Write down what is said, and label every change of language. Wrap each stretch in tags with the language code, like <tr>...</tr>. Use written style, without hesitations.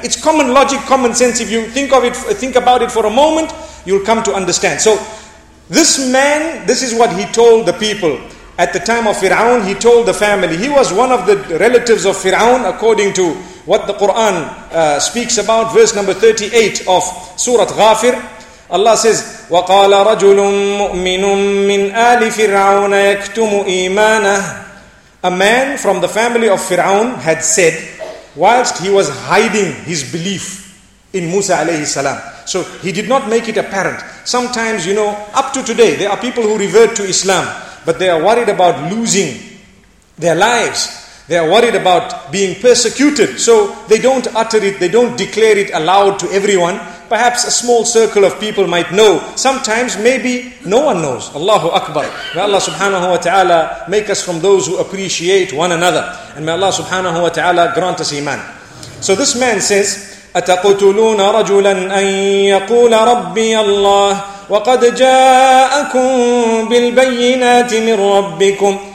<en>It's common logic, common sense. If you think about it for a moment, you'll come to understand. So this man, this is what he told the people. At the time of Fir'aun, he told the family. He was one of the relatives of Fir'aun according to what the Quran speaks about. Verse number 38 of Surah Ghafir. Allah says,</en> <ar>وَقَالَ رَجُلٌ مُؤْمِنٌ مِّنْ آلِ فِرْعَوْنَ يَكْتُمُ إِيمَانَهُ.</ar> <en>A man from the family of Fir'aun had said, whilst he was hiding his belief in Musa alayhi salam. So he did not make it apparent. Sometimes, you know, up to today, there are people who revert to Islam, but they are worried about losing their lives. They are worried about being persecuted. So they don't utter it, they don't declare it aloud to everyone. Perhaps a small circle of people might know. Sometimes maybe no one knows. Allahu Akbar. May Allah subhanahu wa ta'ala make us from those who appreciate one another. And may Allah subhanahu wa ta'ala grant us iman. So this man says,</en> <ar>أَتَقْتُلُونَ رَجُلًا أَن يَقُولَ رَبِّيَ اللَّهِ وَقَدْ جَاءَكُمْ بِالْبَيِّنَاتِ مِنْ رَبِّكُمْ.</ar>